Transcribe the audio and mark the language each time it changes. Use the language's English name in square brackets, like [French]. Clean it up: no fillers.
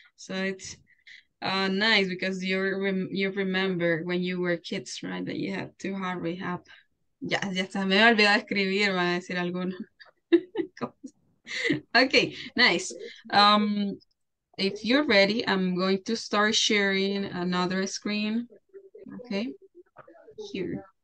[English] So it's nice because you remember when you were kids, right? That you had to hurry up. [Spanish] Ya, ya está. Me he olvidado de escribir, va a decir alguno. [English] Okay, nice. If you're ready, I'm going to start sharing another screen. Okay, here.